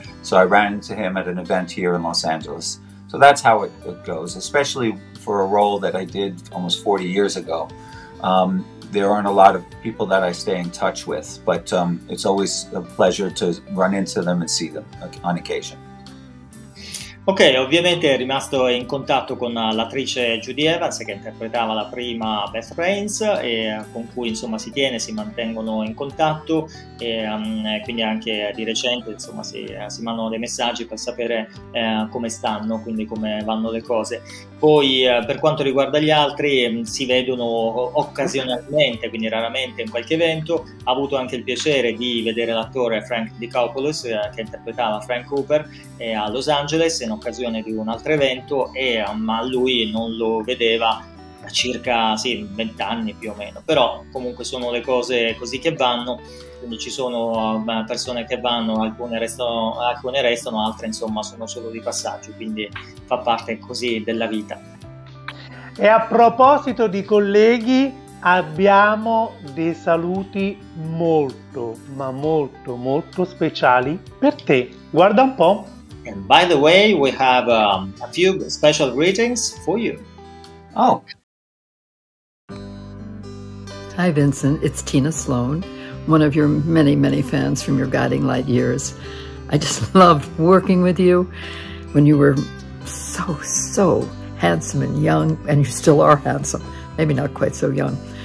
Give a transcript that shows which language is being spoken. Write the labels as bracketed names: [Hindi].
[English] So I ran into him at an event here in Los Angeles. So that's how it goes, especially for a role that I did almost 40 years ago. There aren't a lot of people that I stay in touch with, but it's always a pleasure to run into them and see them on occasion. [Italian] Ok, ovviamente è rimasto in contatto con l'attrice Judy Evans, che interpretava la prima Beth Rains, e con cui insomma si tiene, si mantengono in contatto, e quindi anche di recente insomma si mandano dei messaggi per sapere come stanno, quindi come vanno le cose. Poi per quanto riguarda gli altri, si vedono occasionalmente, quindi raramente in qualche evento. Ha avuto anche il piacere di vedere l'attore Frank DiCopoulos, che interpretava Frank Cooper, a Los Angeles in occasione di un altro evento, ma lui non lo vedeva da circa 20 anni più o meno. Però comunque sono le cose così che vanno, quindi ci sono persone che vanno, alcune restano, altre insomma sono solo di passaggio, quindi fa parte così della vita. E a proposito di colleghi, abbiamo dei saluti molto, ma molto, molto speciali per te. Guarda un po'. [English] And by the way, we have a few special greetings for you. Oh. Hi, Vincent. It's Tina Sloan, one of your many, many fans from your Guiding Light years. I just loved working with you when you were so, so handsome and young, and you still are handsome, maybe not quite so young.